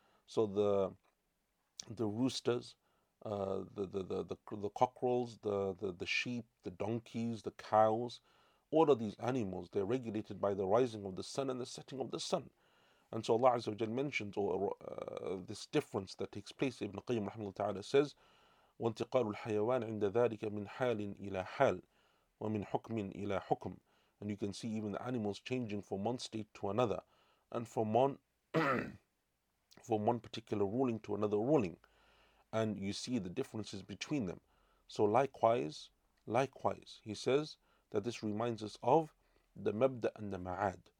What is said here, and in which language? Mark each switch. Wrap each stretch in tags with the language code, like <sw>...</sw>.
<en>So the roosters, the cockerels, the sheep, the donkeys, the cows, all of these animals, they're regulated by the rising of the sun and the setting of the sun. And so Allah Azza wa Jal mentions this difference that takes place. Ibn Qayyim rahimahullah ta'ala says,</en> <ar>وَانْتِقَالُ الْحَيَوَانِ عِنْدَ ذَلِكَ مِنْ حَالٍ إِلَى حَالٍ وَمِنْ حُكْمٍ إِلَى حُكْمٍ.</ar> <en>And you can see even the animals changing from one state to another, and from one from one particular ruling to another ruling. And you see the differences between them. So likewise, he says that this reminds us of the mabda and the ma'ad.</en>